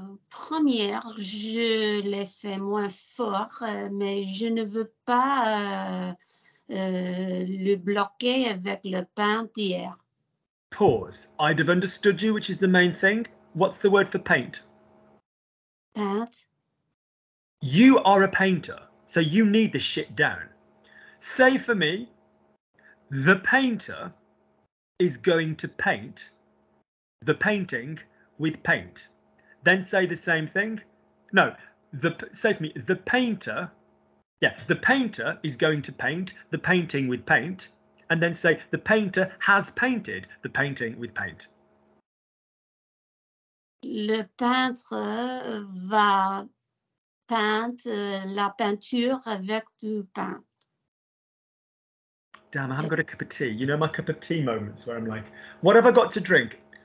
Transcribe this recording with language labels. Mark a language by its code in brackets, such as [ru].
[fr] Première, je l'ai fait moins fort, mais je ne veux pas le bloquer avec le paint hier. [en] Pause. I'd have understood you, which is the main thing. What's the word for paint? Paint. You are a painter, so you need the shit down. Say for me, the painter is going to paint the painting with paint. Then say the same thing. No, the painter is going to paint the painting with paint. And then say, the painter has painted the painting with paint. [fr] Le peintre va peindre la peinture avec du paint. [en] Damn, I haven't got a cup of tea. You know my cup of tea moments where I'm like, what have I got to drink?